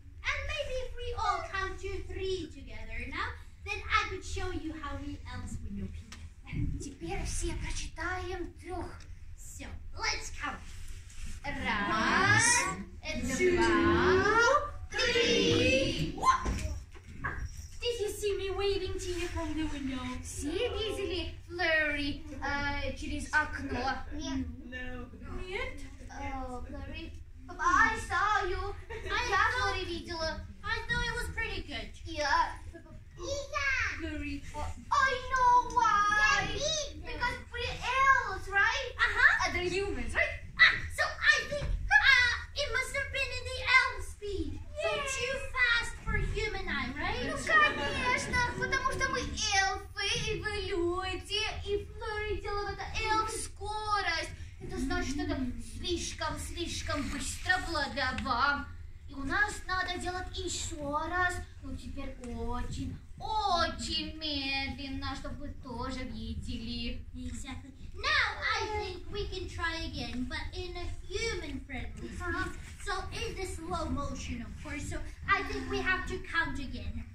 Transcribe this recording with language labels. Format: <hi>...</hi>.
<en>And maybe if we all count to three together now, then I could show you how we elves window peek.</en> <ru>Теперь все прочитаем трех.</ru> <en>So let's count.</en> <ru>Раз, два, три.</ru> <en>Did you see me waving to you from the window?</en> <ru>Все видели Флори через окно. Нет. Нет.</ru> <en>Флори, I saw you.</en> <ru>Я Флори видела.</ru> <en>I thought it was pretty good. Yeah.</en> <ru>Флори.</ru> <en>I know why. Because we're elves, right? Uh-huh. And they're humans, right? So I think it must have been in the elf speed. Yes. So too fast for human eye, right?</en> <ru>Ну, конечно, потому что мы эльфы и вы люди. И Флори делала это эльф скорость. Это значит, что это слишком быстро было для вам. И у нас надо делать еще раз. Ну, теперь очень медленно, чтобы вы тоже видели.</ru> <en>Exactly. Now I think we can try again, but in a human-friendly speed. So in the slow motion, of course. So I think we have to count again.</en>